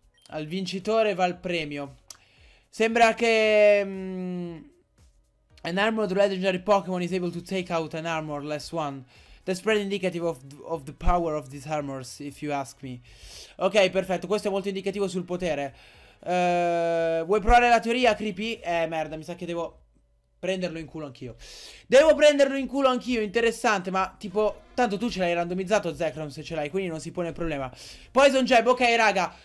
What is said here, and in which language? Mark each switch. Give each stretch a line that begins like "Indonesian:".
Italian: Al vincitore va il premio. Sembra che...
English: an armored legendary Pokémon is able to take out an armor less one. That's pretty indicative of the power of these armors, if you ask me.
Italian: Ok, perfetto, questo è molto indicativo sul potere. Vuoi provare la teoria, Creepy? Merda, mi sa che devo prenderlo in culo anch'io. Devo prenderlo in culo anch'io, interessante, ma tipo... Tanto tu ce l'hai randomizzato, Zekrom, se ce l'hai, quindi non si pone problema. Poison Jab, ok, raga.